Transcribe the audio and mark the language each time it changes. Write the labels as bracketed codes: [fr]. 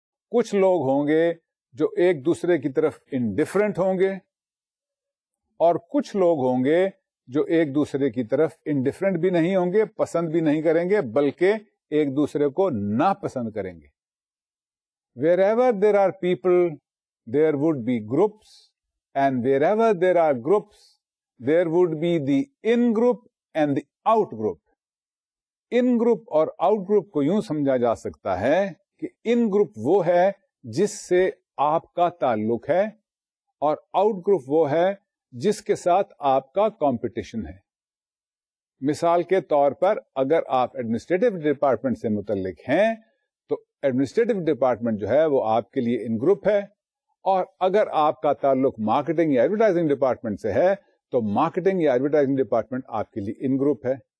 [ur] کچھ لوگ ہوں گے جو ایک دوسرے کی طرف انڈیفرنٹ ہوں گے, اور کچھ لوگ ہوں گے جو ایک دوسرے کی طرف انڈیفرنٹ بھی نہیں ہوں گے, پسند بھی نہیں کریں گے, بلکہ ایک دوسرے کو ناپسند کریں گے. [en] Wherever there are people there would be groups, and wherever there are groups there would be the in group and the out group. [ur] In group اور آؤٹ گروپ کو یوں سمجھا جا سکتا ہے کہ ان گروپ وہ ہے جس سے آپ کا تعلق ہے, اور آؤٹ گروپ وہ ہے جس کے ساتھ آپ کا کمپٹیشن ہے. مثال کے طور پر اگر آپ ایڈمنسٹریٹو ڈپارٹمنٹ سے متعلق ہیں تو ایڈمنسٹریٹو ڈپارٹمنٹ جو ہے وہ آپ کے لیے ان گروپ ہے, اور اگر آپ کا تعلق مارکیٹنگ یا ایڈورٹائزنگ ڈپارٹمنٹ سے ہے تو مارکیٹنگ یا ایڈورٹائزنگ ڈپارٹمنٹ آپ کے لیے ان گروپ ہے.